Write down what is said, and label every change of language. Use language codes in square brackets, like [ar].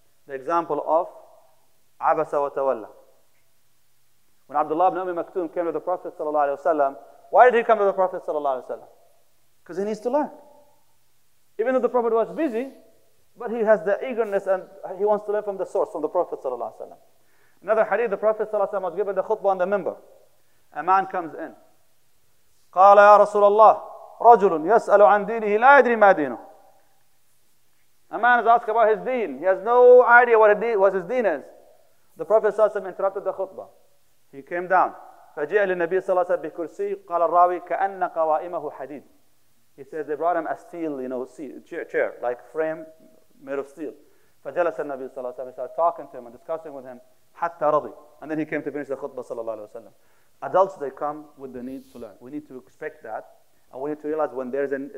[en] The example of Abasa wa Tawalla. When Abdullah ibn Umm Maktum came to the Prophet sallallahu alaihi wasallam, why did he come to the Prophet sallallahu alaihi wasallam? Because he needs to learn. Even though the Prophet was busy, but he has the eagerness and he wants to learn from the source, from the Prophet sallallahu alaihi wasallam. Another hadith, the Prophet sallallahu alaihi wasallam was given the khutbah on the member. A man comes in. [ar] قال يا رسول الله رجل يسأل عن دينه لا يدري ما دينه. [en] A man is asked about his deen. He has no idea what his deen is. The Prophet sallallahu alaihi wasallam interrupted the khutbah. He came down. [ar] فجاء للنبي صلى الله عليه وسلم بكرسي قال الراوي كأن قوائمه حديد. [en] He says they brought him a steel, you know, chair, like frame made of steel. [ar] فجلس النبي صلى الله عليه وسلم. [en] He started talking to him and discussing with him. [ar] حتى رضي. [en] And then he came to finish the khutbah صلى الله عليه وسلم. Adults, they come with the need to learn. We need to expect that. And we need to realize when there's an...